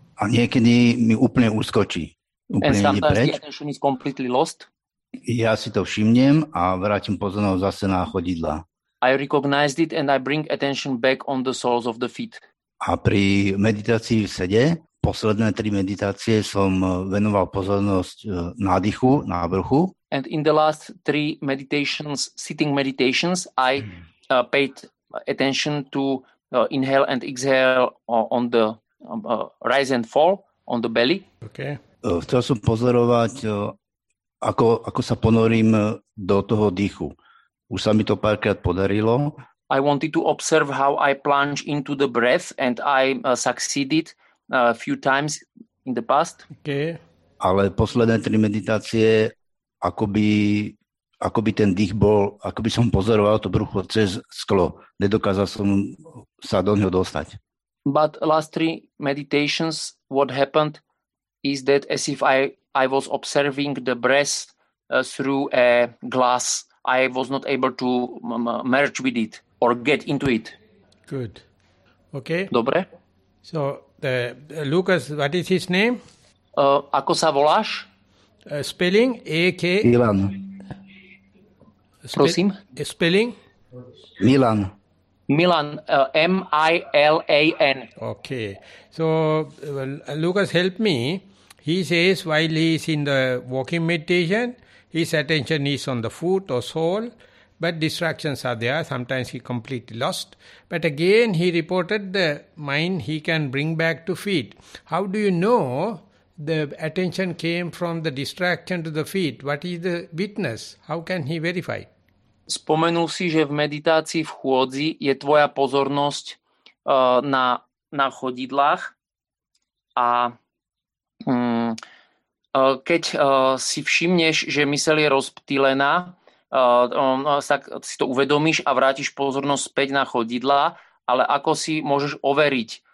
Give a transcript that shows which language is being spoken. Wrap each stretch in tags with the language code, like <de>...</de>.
<sk>A niekedy mi úplne uskočí.</sk> <en>And sometimes the attention is completely lost.</en> <sk>Ja si to všimnem a vrátim pozornosť zase na chodidla.</sk> <en>I recognized it and I bring attention back on the soles of the feet.</en> <sk>A pri meditácii v sede, posledné tri meditácie som venoval pozornosť nádychu, návrchu.</sk> <en>And in the last three meditations, sitting meditations, I paid attention to inhale and exhale on the rise and fall on the belly. Okay.</en> <sk>Chcel som pozorovať, ako sa ponorím do toho dýchu. Už sa mi to párkrát podarilo.</sk> <en>I wanted to observe how I plunge into the breath and I succeeded a few times in the past. Okay.</en> <sk>Ale posledné tri meditácie, akoby ten dých bol, akoby som pozoroval to brucho cez sklo. Nedokázal som sa do neho dostať.</sk> <en>But last three meditations, what happened? Is that as if I was observing the breath through a glass. I was not able to merge with it or get into it. Good. Okay.</en> <sk>Dobre.</sk> <en>So, Lucas, what is his name?</en> <sk>Ako sa voláš?</sk> <en>Spelling, A-K.</en> <sk>Milan. Prosím?</sk> <en>Spelling?</en> <sk>Milan.</sk> <en>Milan, M-I-L-A-N. Okay. So, Lucas, help me. He says while he is in the walking meditation, his attention is on the foot or sole, but distractions are there. Sometimes he completely lost. But again, he reported the mind he can bring back to feet. How do you know the attention came from the distraction to the feet? What is the witness? How can he verify?</en> <sk>Spomenul si, že v meditácii v chôdzi je tvoja pozornosť na chodidlách a keď si všimneš, že myseľ je rozptýlená, tak si to uvedomíš a vrátiš pozornosť späť na chodidlá, ale ako si môžeš overiť,</sk>